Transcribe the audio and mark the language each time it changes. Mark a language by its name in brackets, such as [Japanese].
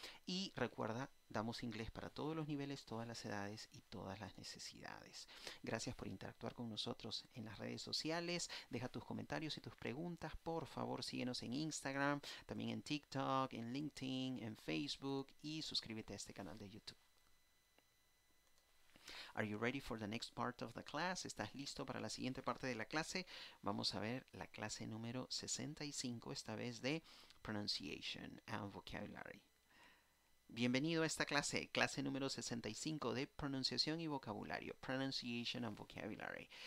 [Spanish] Y recuerda, damos inglés para todos los niveles, todas las edades y todas las necesidades. Gracias por interactuar con nosotros en las redes sociales. Deja tus comentarios y tus preguntas. Por favor, síguenos en Instagram, también en TikTok, en LinkedIn, en Facebook y suscríbete a este canal de YouTube. [English] Are you ready for the next part of the class? [Spanish] ¿Estás listo para la siguiente parte de la clase? Vamos a ver la clase número 65, esta vez de Pronunciation and Vocabulary. Bienvenido a esta clase, clase número 65 de pronunciación y vocabulario, [English] Pronunciation and Vocabulary.